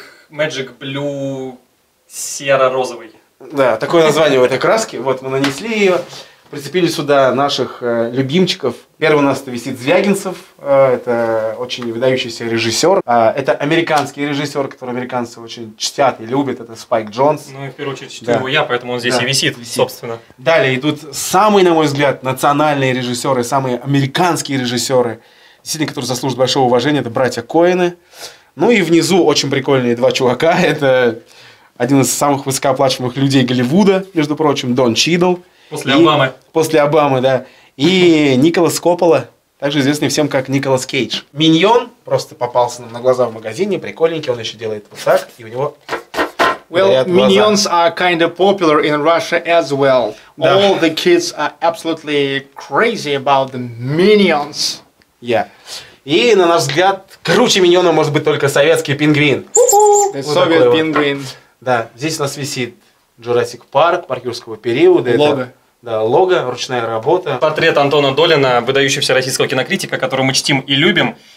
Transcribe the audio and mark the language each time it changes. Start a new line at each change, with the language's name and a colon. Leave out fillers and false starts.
Russian: Magic Blue серо-розовый. Да, такое название у этой краски. Вот, мы нанесли ее. Прицепили сюда наших любимчиков. Первый у нас висит Звягинцев, это очень выдающийся режиссер. Это американский режиссер, который американцы очень чтят и любят, это Спайк Джонс. Ну и в первую очередь чтю его я, поэтому он здесь и висит, собственно. Далее идут самые, на мой взгляд, национальные режиссеры, самые американские режиссеры, действительно, которые заслужат большого уважения, это братья Коэны. Ну и внизу очень прикольные два чувака, это один из самых высокооплачиваемых людей Голливуда, между прочим, Дон Чидл. После Обамы, да. И Николас Коппола, также известный всем как Николас Кейдж. Миньон просто попался нам на глаза в магазине, прикольненький, он еще делает вот так, и у него
English: Well, minions are kind of popular in Russia as well.
Russian: Да.
English: All the kids are absolutely crazy about the minions. Yeah.
Russian: И, на наш взгляд, круче миньона может быть только советский пингвин. Советский пингвин. Да, здесь у нас висит Jurassic Park, парк юрского периода. Лого. Да, лого, ручная работа. Портрет Антона Долина, выдающегося российского кинокритика, которого мы чтим и любим.